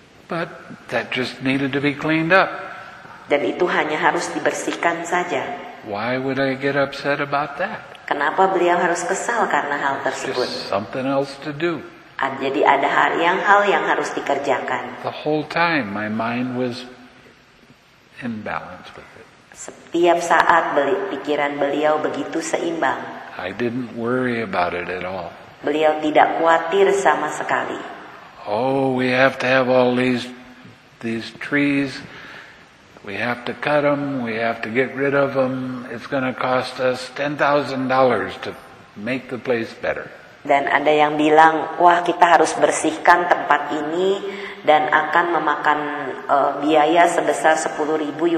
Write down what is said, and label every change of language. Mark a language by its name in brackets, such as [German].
[English] But that just needed to be cleaned up. [Indonesian] Dan itu hanya harus dibersihkan saja. [English] Why would I get upset about that? [Indonesian] Kenapa beliau harus kesal karena hal tersebut? [English] Just something else to do. [Indonesian] Jadi ada hal yang harus dikerjakan. [English] The whole time my mind was in balance with it. [Indonesian] Setiap saat pikiran beliau begitu seimbang. [English] I didn't worry about it at all. [Indonesian] Beliau tidak khawatir sama sekali. [English] Oh, we have to have all these trees. We have to cut them. We have to get rid of them. It's going to cost us $10,000 to make the place better. [Indonesian] Dan ada yang bilang, wah, kita harus bersihkan tempat ini dan akan memakan biaya sebesar $10,000.